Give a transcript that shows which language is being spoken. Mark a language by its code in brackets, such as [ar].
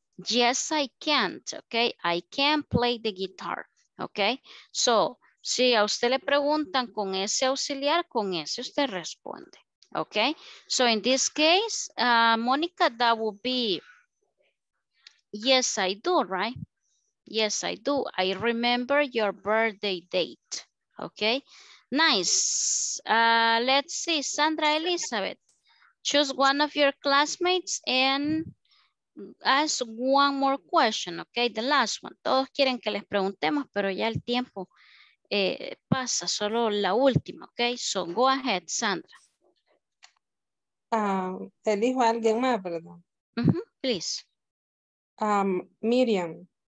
[en] Yes, I can't, okay? I can't play the guitar, okay? [es] So, si a usted le preguntan con ese auxiliar, con ese usted responde, okay? [en] So, in this case, Mónica, that would be, yes, I do, right? Yes, I do. I remember your birthday date, okay? Nice. Let's see, Sandra Elizabeth, choose one of your classmates and ask one more question, okay, the last one. [es] Todos quieren que les preguntemos, pero ya el tiempo pasa, solo la última, okay, [en] so go ahead, Sandra. [es] Elijo a alguien más, perdón. [en] Uh-huh, please. Miriam.